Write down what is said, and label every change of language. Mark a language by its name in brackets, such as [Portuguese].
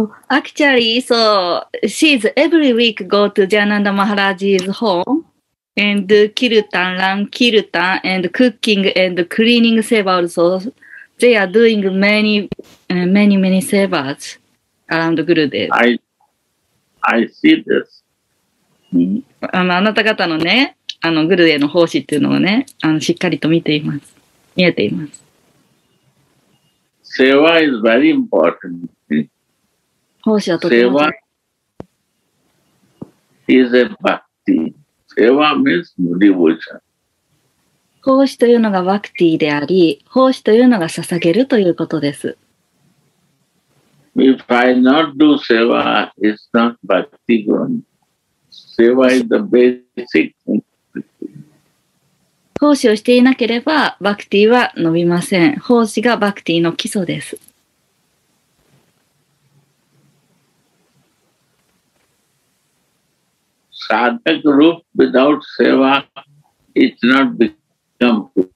[English] Actually, so she's every week go to Jananda Maharaj's home and do kirtan, run kirtan, and cooking and cleaning seva also. They are doing many, many, many sevas around Gurudev. I see this. [Japanese] あなた方のね、あのグルへの奉仕っていうのをね、あのしっかりと見ています。見えています。 [English] セワ is very important. [Japanese] 奉仕はとても大事。 [English] セワ is a bhakti. セワ means devotion. [Japanese] 奉仕というのがバクティであり、奉仕というのが捧げるということです。 [English] If I not do seva, it's not bhakti going. Seva is the basic. [Japanese] 奉仕をしていなければバクティは伸びません。奉仕がバクティの基礎です。 [English] Sadhak Roop without Seva is not become.